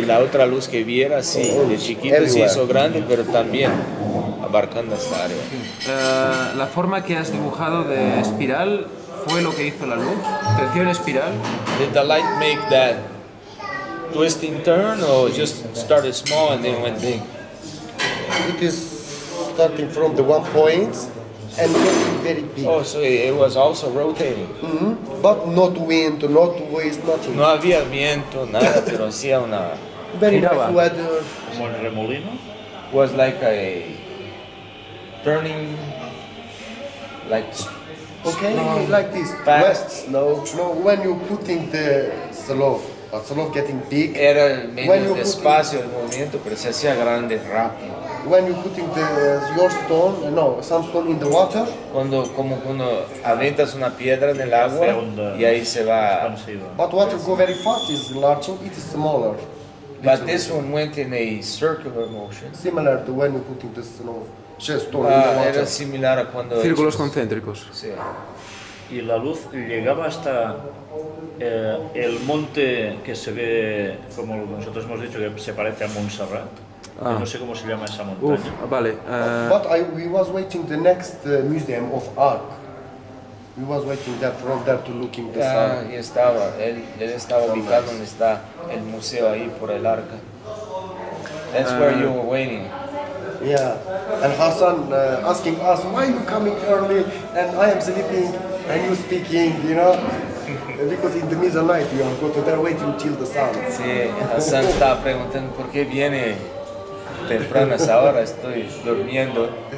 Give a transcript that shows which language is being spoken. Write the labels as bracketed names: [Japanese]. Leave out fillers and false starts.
[Spanish] Y la otra luz que viera, sí, de chiquito [English] everywhere. [Spanish] Se hizo grande, pero también abarcando esta área. La forma que has dibujado de espiral fue lo que hizo la luz. Creció en espiral. [English] Did the light make that twisting turn, or just started small and then went big? It is starting from the one point and getting very big. Oh, so it was also rotating. Mm-hmm. But not wind, not waste, nothing. [Spanish] No había viento, nada, pero hacía una. [English] Very nice weather. [Spanish] Como el remolino? [English] Was like a turning, like. Okay, snow. Like this. Fast snow. No, when you put in the slow, but slow getting big. [Spanish] Era menos despacio el movimiento, pero se hacía grande, rápido. [English] When you putting the your stone, no, some stone in the water. [Spanish] Cuando como cuando aventas una piedra en el agua y ahí se va. [English] But water go very fast is larger, it is smaller. But this one went in a circular motion. Similar to when you putting the snow, just stone in the water. [Spanish] Era similar a cuando. Círculos concéntricos. Sí. Y la luz llegaba hasta el monte que se ve como nosotros hemos dicho que se parece a Montserrat. No sé cómo se llama esa montaña. Uf, vale. [English] But we was waiting the next museum of Ark. We was waiting that from there to looking the sun. [Spanish] Y estaba, él estaba ubicado donde está el museo ahí por el arca. [English] That's where you were waiting. Yeah. And Hassan asking us, why are you coming early? And I am sleeping and you speaking, you know? Because in the middle of the night you are going to there waiting till the sun. [Spanish] Sí, Hassan está preguntando por qué viene temprano a esa hora, estoy durmiendo.